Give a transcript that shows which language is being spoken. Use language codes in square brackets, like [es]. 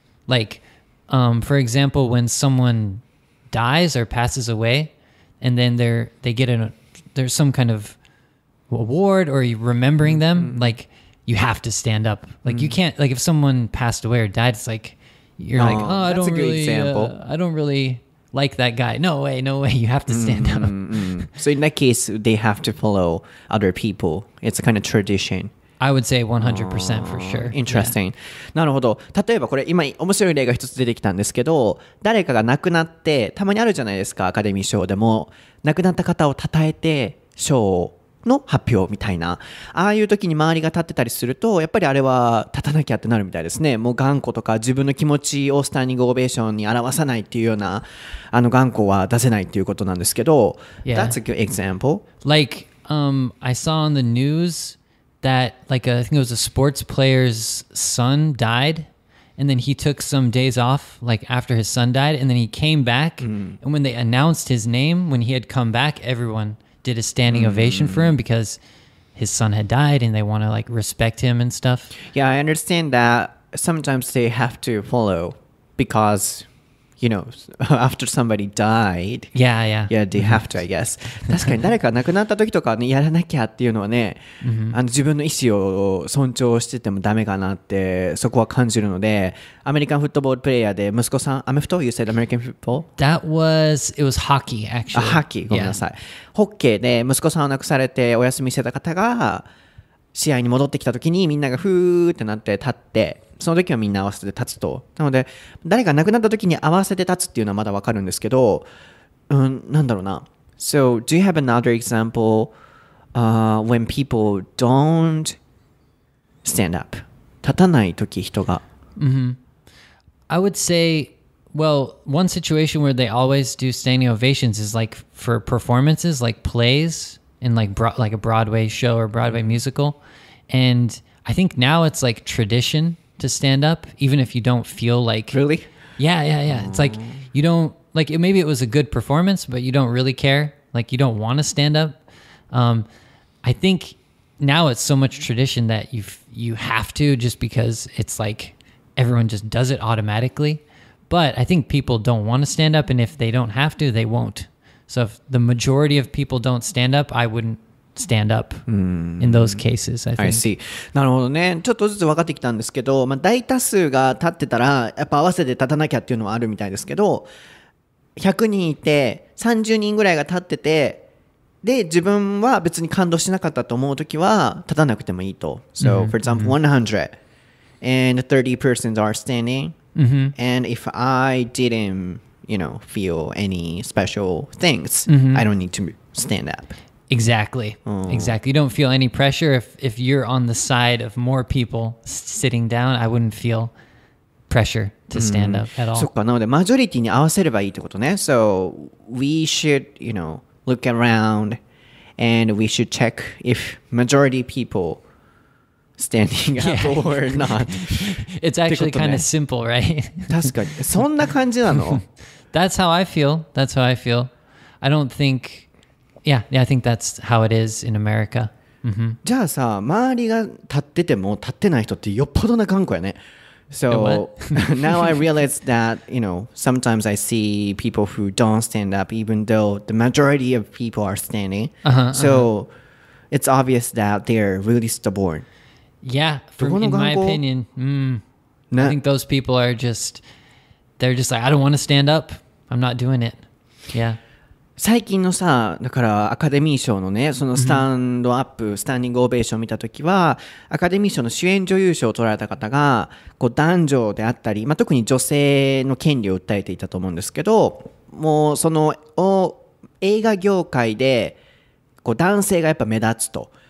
[en] Like, for example, when someone dies or passes away, and then there's some kind of award or you're remembering them, like, you have to stand up. Like, you can't, like, if someone passed away or died, it's like, you're like, oh, that's I don't really like that guy. No way. You have to stand up. So in that case, they have to follow other people. It's a kind of tradition. I would say 100% for sure. Interesting. [ja] なるほど。例えばこれ今面白い例が一つ出てきたんですけど、誰かが亡くなって、たまにあるじゃないですか、アカデミー賞でも。亡くなった方を称えて、賞の発表みたいな。ああいう時に周りが立ってたりすると、やっぱりあれは立たなきゃってなるみたいですね。もう頑固とか自分の気持ちをスタンディングオベーションに表さないっていうような、あの頑固は出せないっていうことなんですけど。 [en] Yeah. That's a good example. Like, I saw on the news... that like I think it was a sports player's son died, and then he took some days off like after his son died, and then he came back and when they announced his name, when he had come back, everyone did a standing ovation for him because his son had died and they want to like respect him and stuff. Yeah, I understand that sometimes they have to follow because, you know, after somebody died. Yeah, yeah. Yeah, they have to, I guess. [ja] 確かに誰か亡くなった時とかね、やらなきゃっていうのはね、あの自分の意思を尊重しててもダメかなってそこは感じるので、アメリカンフットボールプレイヤーで息子さん、アメフト? [en] You said American football? It was hockey, actually. [ja] Hockey, ごめんなさい。ホッケーで息子さんを亡くされてお休みしてた方が、試合に戻ってきた時にみんながふーってなって立って、その時はみんな合わせて立つと。なので、誰か亡くなった時に合わせて立つっていうのはまだわかるんですけど、うん、なんだろうな。 [en] So, do you have another example, when people don't stand up? [ja] 立たない時人が。 Mm-hmm. [en] I would say, well, one situation where they always do standing ovations is like for performances, like plays in like a Broadway show or Broadway musical. And I think now it's like tradition. To stand up, even if you don't feel like... Really? Yeah. It's like, you don't... Like, maybe it was a good performance, but you don't really care. Like, you don't want to stand up. I think now it's so much tradition that you have to just because it's like everyone just does it automatically. But I think people don't want to stand up, and if they don't have to, they won't. So if the majority of people don't stand up, I wouldn't... Stand up in those cases, I think. I see. [ja] なるほどね。ちょっとずつ分かってきたんですけど、まあ、大多数が立ってたら、やっぱ合わせて立たなきゃっていうのはあるみたいですけど、100人いて、30人ぐらいが立ってて、で、自分は別に感動しなかったと思うときは、立たなくてもいいと。 [en] So, for example, 100, and 30 persons are standing, and if I didn't, you know, feel any special things, I don't need to stand up. Exactly. You don't feel any pressure if you're on the side of more people sitting down. I wouldn't feel pressure to stand up at all. [ja] そっか、なのでマジョリティに合わせればいいってことね。 [en] So we should, you know, look around and we should check if majority people standing up or not. It's actually kind of simple, right? [ja] 確かに。そんな感じなの? [en] That's how I feel. I don't think... Yeah, I think that's how it is in America. [ja] じゃあさ、周りが立ってても立ってない人ってよっぽどな頑固やね。 [en] So now I realize that, you know, sometimes I see people who don't stand up even though the majority of people are standing. So it's obvious that they're really stubborn. Yeah, in my opinion, I think those people are just, they're just like, I don't want to stand up. I'm not doing it. Yeah. [ja] 最近のさ、だからアカデミー賞のね、そのスタンドアップ、スタンディングオーベーションを見たときは、アカデミー賞の主演女優賞を取られた方が、こう男女であったり、まあ、特に女性の権利を訴えていたと思うんですけど、もうその映画業界で、こう男性がやっぱ目立つと。